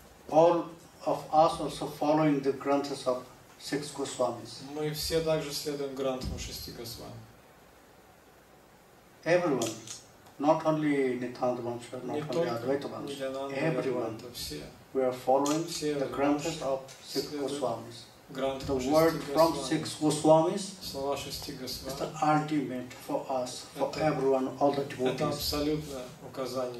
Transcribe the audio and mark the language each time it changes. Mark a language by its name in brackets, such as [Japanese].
[English] All of us also following the Granthas of six Goswamis. [Russian] Мы все также следуем Грантам шести Госвами. [English] Everyone. Not only Nityananda Vamsha, not only Advaita Vamsha, everyone, we are following the Granthas of six Goswamis. The word from six Goswamis is the ultimate for us, for everyone, all the devotees.